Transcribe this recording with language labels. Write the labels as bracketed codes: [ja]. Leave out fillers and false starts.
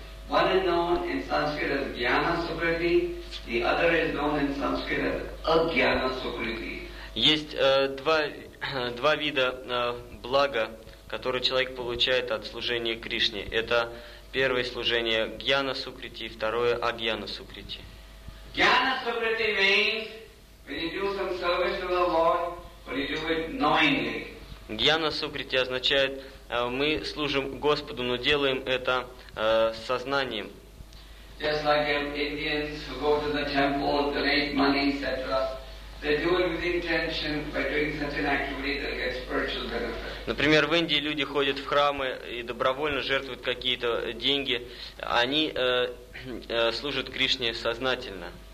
[en] One is known in Sanskrit as Jnana Sukriti, the other is known in Sanskrit as Ajnana Sukriti. [ru] Есть два вида блага, которые человек получает от служения Кришне. Это первое служение Jnana Sukriti, второе Ajnana Sukriti. [en] Jnana Sukriti means when you do some service to the Lord, but you do it knowingly. [ru] Jnana Sukriti означает, мы служим Господу, но делаем это сознанием. [en] Just like Indians who go to the temple, donate money, etc. They do it with intention. By doing such an activity, they get spiritual benefit. [ru] Например, в Индии люди ходят в храмы и добровольно жертвуют какие-то деньги. Они служат Кришне сознательно.